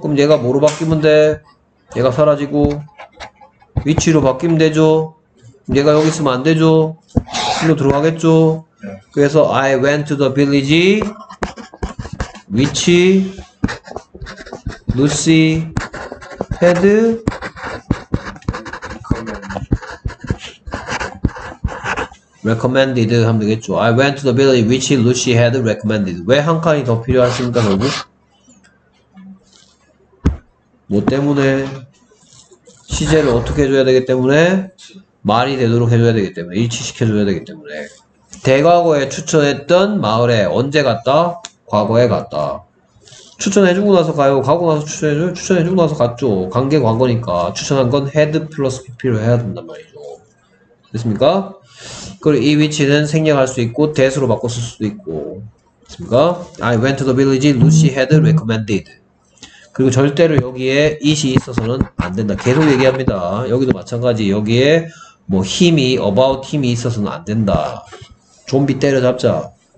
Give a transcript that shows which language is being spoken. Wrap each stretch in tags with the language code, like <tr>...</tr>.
<ko>그럼 얘가 뭐로 바뀌면 돼? 얘가 사라지고 위치로 바뀌면 되죠. 얘가 여기 있으면 안 되죠. 일로 들어가겠죠. 그래서</ko> <en>I went to the village which Lucy had recommended</en> <ko>하면 되겠죠.</ko> <en>I went to the village which Lucy had recommended.</en> <ko>왜 한 칸이 더 필요하십니까 결국? 뭐 때문에? 시제를 어떻게 해줘야 되기 때문에? 말이 되도록 해줘야 되기 때문에, 일치시켜줘야 되기 때문에. 대과거에 추천했던 마을에 언제 갔다? 과거에 갔다. 추천해주고 나서 가요. 가고 나서 추천해줘요? 추천해주고 나서 갔죠. 관계 과거니까 추천한 건 head plus pp로 해야 된단 말이죠. 됐습니까? 그리고 이 위치는 생략할 수 있고 that으로 바꿔 쓸 수도 있고. 됐습니까?</ko> <en>I went to the village Lucy had recommended.</en> <ko>그리고 절대로 여기에 it이 있어서는 안 된다. 계속 얘기합니다. 여기도 마찬가지. 여기에 뭐 힘이 about 힘이 있어서는 안 된다. 좀비 때려잡자.</ko>